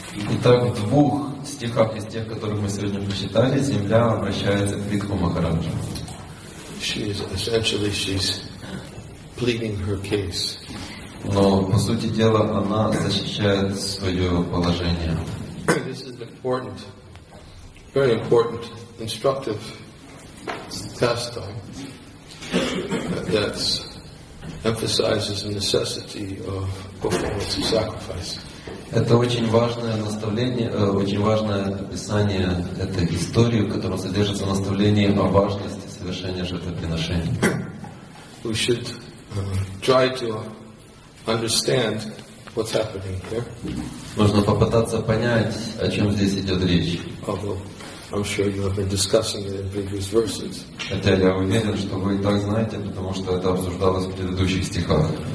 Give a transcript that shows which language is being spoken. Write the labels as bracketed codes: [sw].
[ru] Итак, в двух стихах из тех, которые мы сегодня прочитали, Земля обращается к Прихву Махараджу. [en] She's pleading her case. [ru] Но, по сути дела, она защищает свое положение. [en] This is important, very important. Instructive pastime that emphasizes the necessity of performance of sacrifice. [ru] Это очень важное наставление, очень важное описание этой истории, в котором содержится наставление о важности совершения жертвоприношений. [en] We should try to understand what's happening here. [ru] Нужно попытаться понять, о чем здесь идет речь. [en] I'm sure you have been discussing it in previous verses. [ru] Хотя я уверен, что вы и так знаете, потому что это обсуждалось в предыдущих стихах.